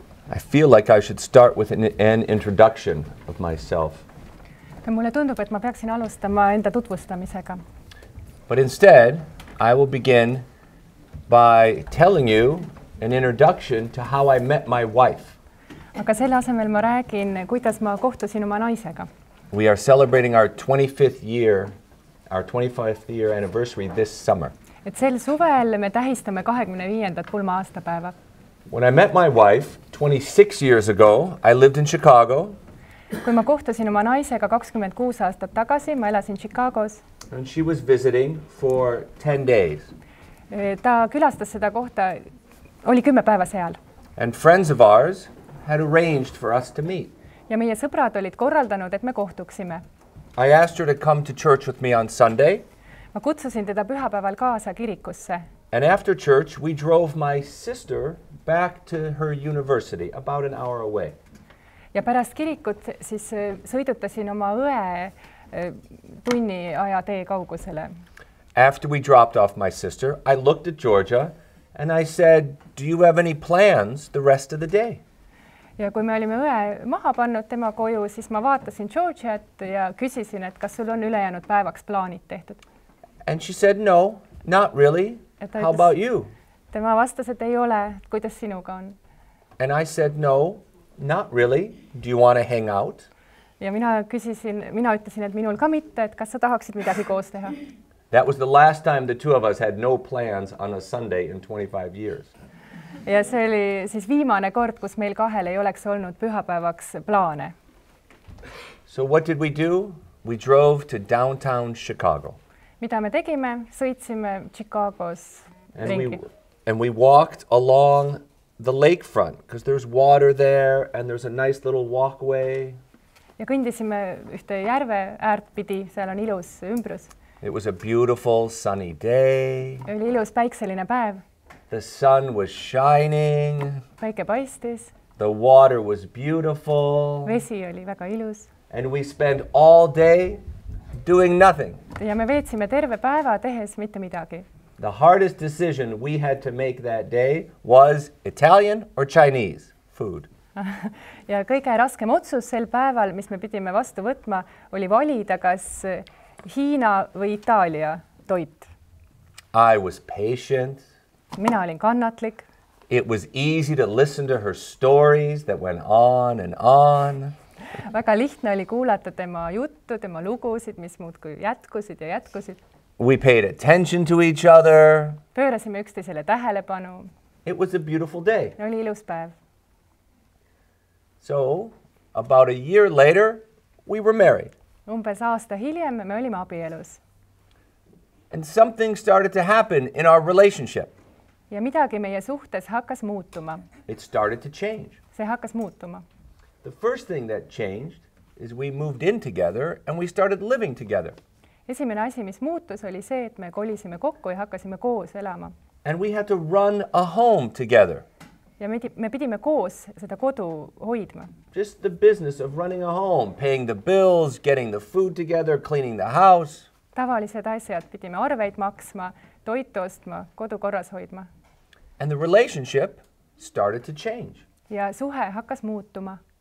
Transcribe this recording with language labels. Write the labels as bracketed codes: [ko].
[en] I feel like I should start with an introduction of myself. [et] Mulle tundub, et ma peaksin alustama enda tutvustamisega. [en] But instead, I will begin by telling you an introduction to how I met my wife. [et] Aga selle asemel ma räägin, kuidas ma kohtusin oma naisega. [en] We are celebrating our 25th year anniversary this summer. [et] Et sel suvel me tähistame 25. Pulma aastapäeva. [en] When I met my wife 26 years ago, I lived in Chicago. [et] Kui ma kohtasin oma naisega 26 aastat tagasi, ma elasin Chicagos. [en] And she was visiting for 10 days. [et] Ta külastas seda kohta, oli 10 päeva seal. [en] And friends of ours had arranged for us to meet. [et] Ja meie sõbrad olid korraldanud, et me kohtuksime. [en] I asked her to come to church with me on Sunday. [et] Ma kutsusin teda pühapäeval kaasa kirikusse. [en] And after church, we drove my sister back to her university, about an hour away. [et] Ja pärast kirikut siis sõidutasin oma õe tunni aja tee kaugusele. [en] After we dropped off my sister, I looked at Georgia and I said, "Do you have any plans the rest of the day?" [et] Ja kui me olime õe maha pannud tema koju, siis ma vaatasin Georgiat ja küsisin, et kas sul on ülejäänud päevaks plaanid tehtud. [en] And she said, "No, not really. How about you?" [et] Tema vastas, et ei ole, kuidas sinuga on. [en] And I said, "No, not really. Do you want to hang out?" [et] Ja mina ütlesin, et minul ka mitte, et kas sa tahaksid midagi koos teha. [en] That was the last time the two of us had no plans on a Sunday in 25 years. [et] Ja see oli siis viimane kord, kus meil kahel ei oleks olnud pühapäevaks plaane. [en] So what did we do? We drove to downtown Chicago. [et] Mida me tegime? Sõitsime Chicagos ringi. [en] And we walked along the lakefront, because there's water there and there's a nice little walkway. [et] Ja kõndisime ühte järve äärtpidi, seal on ilus ümbrus. [en] It was a beautiful sunny day. [et] Oli ilus päikseline päev. [en] The sun was shining. [et] Päike paistis. [en] The water was beautiful. [et] Vesi oli väga ilus. [en] And we spent all day doing nothing. [et] Ja me veetsime terve päeva tehes mitte midagi. [en] The hardest decision we had to make that day was Italian or Chinese food. [et] Ja kõige raskem otsus sel päeval, mis me pidime vastu võtma, oli valida kas Hiina või Itaalia toit. [en] I was patient. [et] Mina olin kannatlik. [en] It was easy to listen to her stories that went on and on. [et] Väga lihtne oli kuulata tema juttu, tema lugusid, mis muudkui jätkusid ja jätkusid. [en] We paid attention to each other. [et] Pöörasime üksteisele tähelepanu. [en] It was a beautiful day. [et] Oli ilus päev. [en] So, about a year later, we were married. [et] Umbes aasta hiljem me olime abielus. [en] And something started to happen in our relationship. [et] Ja midagi meie suhtes hakkas muutuma. [en] It started to change. [et] See hakkas muutuma. [en] The first thing that changed is we moved in together and we started living together. [et] Esimene asi, mis muutus, oli see, et me kolisime kokku ja hakkasime koos elama. [en] And we had to run a home together. [et] Ja me pidime koos seda kodu hoidma. [en] Just the business of running a home, paying the bills, getting the food together, cleaning the house. [et] Tavalised asjad pidime arveid maksma, toitu ostma, kodu korras hoidma. [en] And the relationship started to change. [et] Ja suhe hakkas muutuma.